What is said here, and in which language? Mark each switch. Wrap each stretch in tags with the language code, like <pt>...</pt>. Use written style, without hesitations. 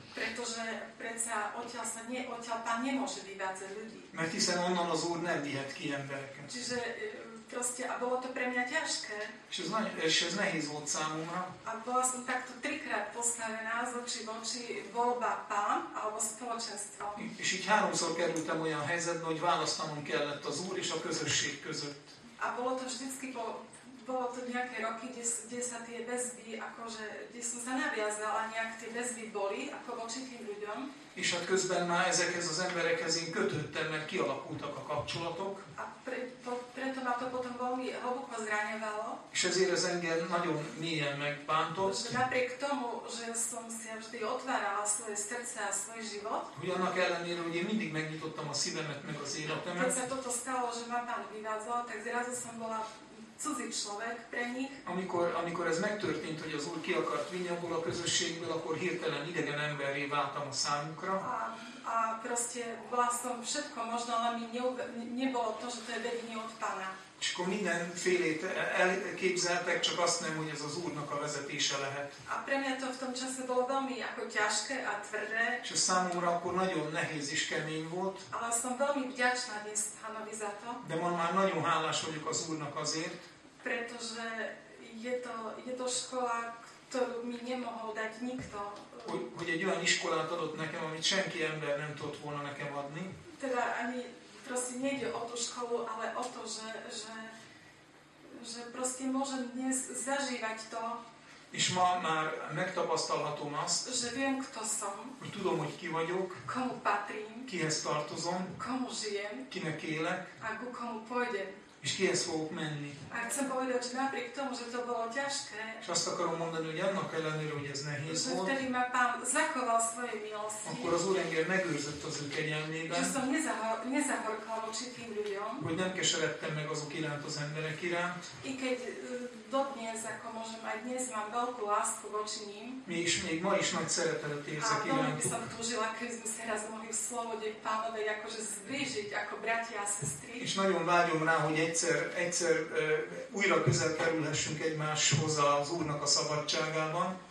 <sk>pretože predsa odtiaľ sa nie, odtiaľ Pán nemôže vyvádzať ľudí.</sk> <hu>Mert hiszen onnan az Úr nem vihet ki embereket.</hu> <sk>Čiže proste, a bolo to pre mňa ťažké.</sk> <hu>És ez nehéz volt számomra.</hu> <sk>A bola som takto trikrát postavená z oči v oči voľba Pán alebo spoločenstvo.</sk> <hu>És így háromszor kerültem olyan helyzetbe, hogy választanom kellett az Úr és a közösség között.</hu> <sk>A bolo to vždycky po... Bolo to nejaké roky, kde sa tie väzby, akože, kde som sa naviazala, nejak tie väzby boli, ako voči tým ľuďom.</sk> <hu>És hát közben már ezekhez az emberekhez én kötődtem, mert kialakultak a kapcsolatok.</hu> <sk>A preto ma to potom veľmi hlboko zraňovalo.</sk> <hu>És ezért ez engem nagyon mélyen megbántott.</hu> <sk>Že napriek tomu, že som si vždy otvárala svoje srdce a svoj život.</sk> <hu>Hogy annak ellenére, hogy én mindig megnyitottam a szívemet, meg az életemet.</hu> <sk>Keď sa toto stalo, že ma Pán vyvádzal, tak zrazu som bola cudzí človek pre nich.</sk> <hu>Amikor ez megtörtént, hogy az Úr ki akart vinni abból a közösségből, akkor hirtelen idegen emberré váltam a számukra.</hu> <sk>A proste bola som všetko, možno ale mi nebolo to, že to je vedenie od Pána.</sk> <hu>És akkor mindenfélét elképzeltek, csak azt nem, hogy ez az Úrnak a vezetése lehet.</hu> <sk>A pre mňa to v tom čase bolo veľmi ako ťažké a tvrdé.</sk> <hu>És a számomra akkor nagyon nehéz is kemény volt.</hu> <sk>Ale som veľmi vďačná dnes Pánovi za to.</sk> <hu>De ma már nagyon hálás vagyok az Úrnak azért.</hu> <sk>Pretože je to škola, ktorú mi nemohol dať nikto.</sk> <hu>Hogy egy olyan iskolát adott nekem, amit senki ember nem tudott volna nekem adni.</hu> <sk>Teda ani... Proste nejde o tú školu, ale o to, že proste môžem dnes zažívať to.</sk> <hu>És ma már megtapasztalhatom azt,</hu> <sk>že viem, kto som,</sk> <hu>hogy tudom, hogy ki vagyok,</hu> <sk>komu patrím,</sk> <hu>kihez tartozom,</hu> <sk>komu žijem,</sk> <hu>kinek élek,</hu> <sk>a ku komu pôjdem,</sk> <hu>és kihez fogok menni.</hu> <sk>A chcem povedať, že napriek tomu, že to bolo ťažké,</sk> <hu>és azt akarom mondani, hogy annak ellenére, hogy ez nehéz volt,</hu> <sk>že vtedy ma Pán zachoval svoje milosti,</sk> <hu>akkor az Úr engem megőrzött az ő kegyelmében,</hu> <sk>že som nezahorkal voči tým ľuďom,</sk> <hu>hogy nem keseredtem meg azok iránt, az emberek iránt,</hu> <sk>i keď dodnes, ako môžem aj dnes, mám veľkú lásku voči ním,</sk> <hu>még ma is nagy szeretetet érzek irántuk,</hu> <sk>a veľmi by som túžila, keby sme sa raz mohli v slobode Pánovej akože zblížiť ako bratia a sestry,</sk> <hu>és nagyon vágyom rá, hogy egyszer újra közel kerülhessünk egymáshoz az Úrnak a szabadságában.</hu>